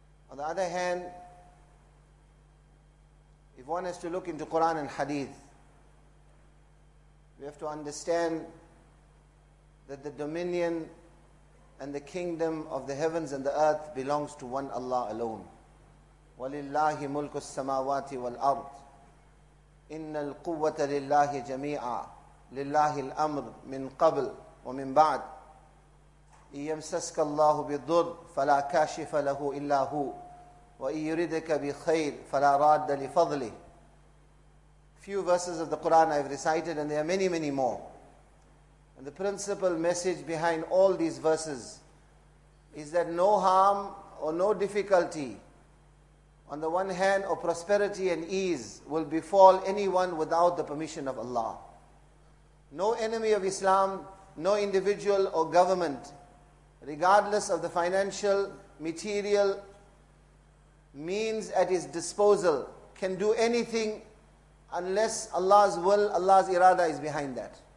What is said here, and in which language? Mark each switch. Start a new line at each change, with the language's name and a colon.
English: On the other hand, if one has to look into Quran and Hadith, we have to understand that the dominion and the kingdom of the heavens and the earth belongs to one Allah alone.
Arabic: وَلِلَّهِ مُلْكُ السَّمَاوَاتِ وَالْأَرْضِ إِنَّ الْقُوَّةَ لِلَّهِ جَمِيعًا لِلَّهِ الْأَمْرِ مِنْ قَبْلِ وَمِنْ بَعْدِ إِنْ يَمْسَسْكَ اللَّهُ بِالضُّرِّ فَلَا كَاشِفَ لَهُ إِلَّا هُوْ وَإِنْ يُرِدَكَ بِخَيْرِ فَلَا رَادَّ لِفَضْلِهِ
English: Few verses of the Quran I've recited and there are many, many more. And the principal message behind all these verses is that no harm or no difficulty on the one hand or prosperity and ease will befall anyone without the permission of Allah. No enemy of Islam, no individual or government, regardless of the financial, material means at his disposal, can do anything unless Allah's will, Allah's irada is behind that.